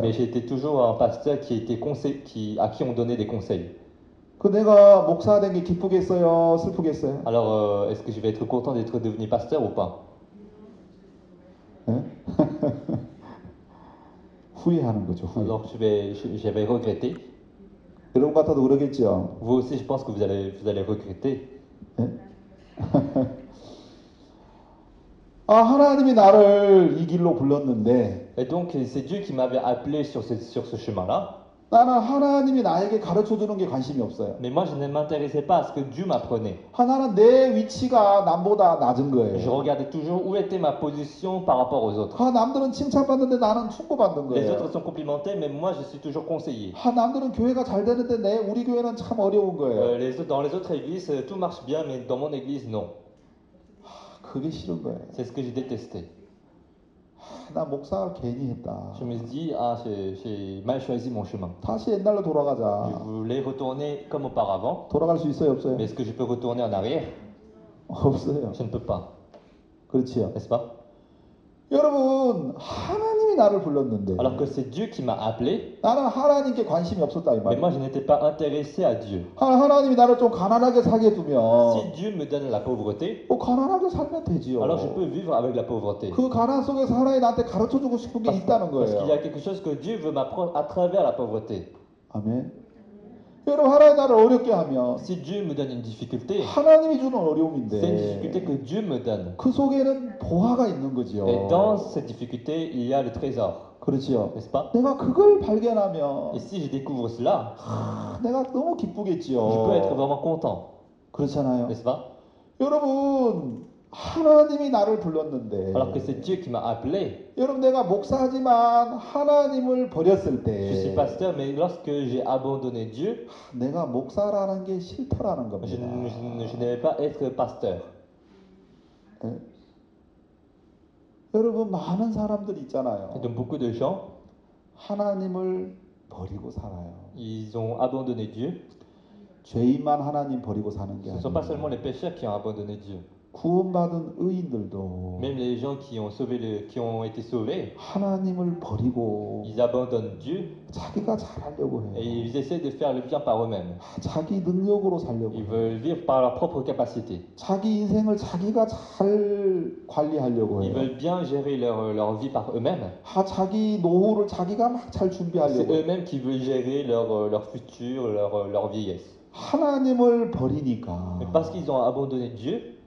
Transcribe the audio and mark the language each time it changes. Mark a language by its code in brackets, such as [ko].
[fr] Mais j'étais toujours un pasteur qui était à qui on donnait des conseils. [ko] 그 내가 목사 된 게 기쁘겠어요, 슬프겠어요? [fr] Alors est-ce que je vais être content d'être devenu pasteur ou pas? [ko] 후회하는 거죠. 후회. [fr] Alors je vais regretter. [ko] 여러분 같아도 그러겠죠. [fr] Vous aussi, je pense que vous allez regretter. [ko] 아 하나님이 나를 이 길로 불렀는데. [fr] Et donc c'est Dieu qui m'avait appelé sur ce chemin-là. [ko] 나는 하나님이 나에게 가르쳐 주는 게 관심이 없어요. [fr] Mais moi je ne m'intéressais pas à ce que Dieu m'apprenait. [ko] 하나는 내 위치가 남보다 낮은 거예요. [fr] Je regardais toujours où était ma position par rapport aux autres. [ko] 아 남들은 칭찬받는데 나는 충고받는 거예요. [fr] Les autres sont complimentés mais moi je suis toujours conseillé. [ko] 아 남들은 교회가 잘 되는데 내 우리 교회는 참 어려운 거예요. [fr] Dans les autres églises tout marche bien mais dans mon église non. [ko] 그게 싫은 거예요. [fr] C'est ce que j'ai détesté. [ko] 나 목사 괜히 했다. [fr] Je me suis dit, ah, j'ai mal choisi mon chemin. [ko] 다시 옛날로 [fr] Je [ko] 돌아가자. [fr] voulais retourner comme auparavant. [ko] 돌아갈 수 있어요, [fr] Mais [ko] 없어요? [fr] est-ce que je peux retourner en arrière? Je [ko] 없어요. [fr] ne peux pas. [ko] 그렇지요. [fr] N'est-ce pas? [ko] 여러분, 하나님이 나를 [fr] Alors que [ko] 불렀는데 [fr] c'est Dieu qui m'a appelé, [ko] 나는 하나님께 관심이 없었다 이 [fr] mais moi je n'étais pas intéressé à Dieu. [ko] 하나님이 나를 좀 가난하게 살게 두면 [fr] Si Dieu me donne la pauvreté, [ko] 가난하게 살면 되지요. [fr] alors je peux vivre avec la pauvreté. [ko] 그 가난 속에서 하나님이 나한테 가르쳐 주고 싶은 게 있다는 거예요. [fr] Parce qu'il y a quelque chose que Dieu veut m'apprendre à travers la pauvreté. [ko] 아멘. 여러분, 하나님이 나를 어렵게 하면 [fr] Si Dieu me donne une difficulté, [ko] 하나님이 주는 어려움인데 [fr] c'est une difficulté que Dieu me donne. [ko] 그 속에는 보화가 있는 거지요. [fr] Et dans cette difficulté, il y a le trésor. [ko] 그렇지요. [fr] N'est-ce pas? [ko] 내가 그걸 발견하면 [fr] Et si je découvre cela, [ko] 내가 너무 기쁘겠지요. [fr] Je peux être vraiment content. [ko] 그렇잖아요. [fr] N'est-ce pas? [ko] 여러분, 하나님이 나를 불렀는데 [fr] Alors que c'est Dieu qui m'a appelé. [ko] 여러분, 내가 목사지만 하나님을 버렸을 때 [fr] Je suis pasteur, mais lorsque j'ai abandonné Dieu, [ko] 내가 목사라는 게 싫더라는 겁니다. [fr] Je n'aimais pas être pasteur. [ko] 여러분, 많은 사람들 있잖아요. [fr] Donc beaucoup de gens [ko] 하나님을 버리고 살아요. [fr] Ils ont abandonné Dieu. [ko] 죄인만 하나님 버리고 사는 게 [fr] Ce ne sont pas seulement les pécheurs qui ont abandonné Dieu. [ko] 구원받은 의인들도 [fr] Même les gens qui ont sauvé le, qui ont été sauvés, [ko] 하나님을 버리고 [fr] ils abandonnent Dieu, [ko] 자기가 잘하려고 해요. [fr] Et ils essaient de faire le bien par eux-mêmes. [ko] 자기 능력으로 살려고 [fr] Ils veulent vivre par leur propre capacité. [ko] 자기 인생을 자기가 잘 관리하려고 해요. [fr] Ils veulent bien gérer leur vie par eux-mêmes. [ko] 자기 노후를 자기가 막 잘 준비하려고 [fr] C'est eux-mêmes qui veulent gérer leur futur, leur vieillesse. [ko] 하나님을 버리니까 [fr] Mais parce qu'ils ont abandonné Dieu,